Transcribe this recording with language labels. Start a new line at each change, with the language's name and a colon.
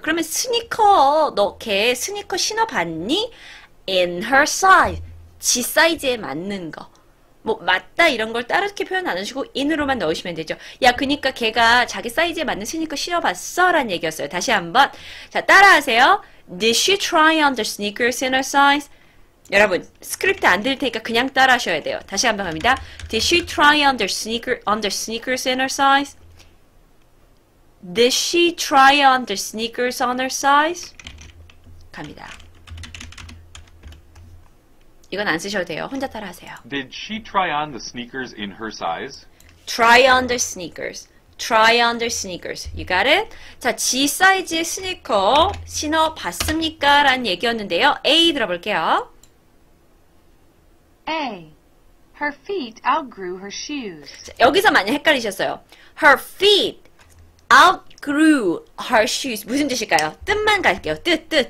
Korean: 그러면 스니커, 너 걔 스니커 신어봤니?
English: In her size.
Korean: 지 사이즈에 맞는 거. 뭐 맞다 이런 걸 따르게 표현 안 하시고 in으로만 넣으시면 되죠. 야, 그러니까 걔가 자기 사이즈에 맞는 스니커 신어봤어? 라는 얘기였어요. 다시 한번. 자, 따라하세요.
English: Did she try on the sneakers in her size?
Korean: 여러분, 스크립트 안 들을 테니까 그냥 따라하셔야 돼요. 다시 한번 갑니다.
English: Did she try on the sneakers in her size? Did she try on the sneakers on her size?
Korean: 갑니다. 이건 안 쓰셔도 돼요. 혼자 따라 하세요.
English: Did she try on the sneakers in her size? Try on the sneakers. Try on the sneakers. You got it?
Korean: 자, G 사이즈의 스니커 신어 봤습니까? 라는 얘기였는데요. A 들어볼게요.
English: A. Her feet outgrew her shoes.
Korean: 자, 여기서 많이 헷갈리셨어요.
English: Her feet. outgrew her shoes.
Korean: 무슨 뜻일까요? 뜻만 갈게요. 뜻.